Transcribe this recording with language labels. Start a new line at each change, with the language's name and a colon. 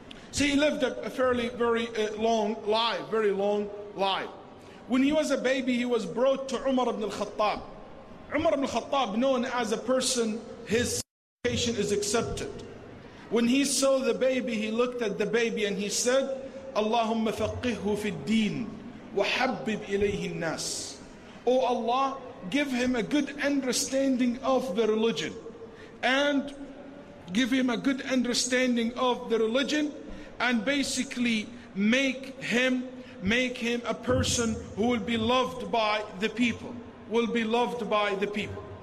English: See, he lived a fairly very long life. When he was a baby, he was brought to Umar ibn al-Khattab. Umar ibn al-Khattab, known as a person, his patient is accepted. When he saw the baby, he looked at the baby and he said,
Arabic: اللهم فقهه في الدين وحبب إليه الناس.
English: Oh Allah, give him a good understanding of the religion, and give him a good understanding of the religion, and basically make him a person who will be loved by the people, will be loved by the people.